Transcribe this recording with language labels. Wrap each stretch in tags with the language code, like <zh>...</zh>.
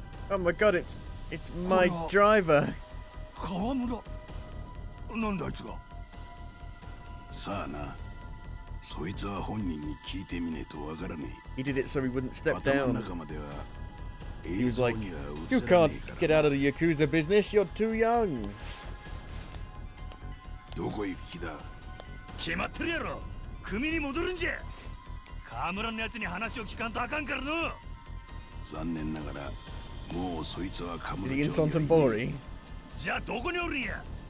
<en>Oh my god, it's my driver.</en> <ja>川村、なんであいつが。さあな、そいつは本人に聞いてみねえとわからねえ。</ja> <en>He did it so he wouldn't step down.</en> <ja>頭の中までは映像には映らねえから。</ja> <en>He was like, you can't get out of the Yakuza business, you're too young.</en> <ja>どこ行く気だ。決まってるやろ、組に戻るんじゃ。川村のやつに話を聞かんとあかんからの。残念ながらもうそいつはカムロ町にはいねえ。</ja> <en>Is he in Sontembori?</en> <ja>じゃあどこにおるんや。</ja>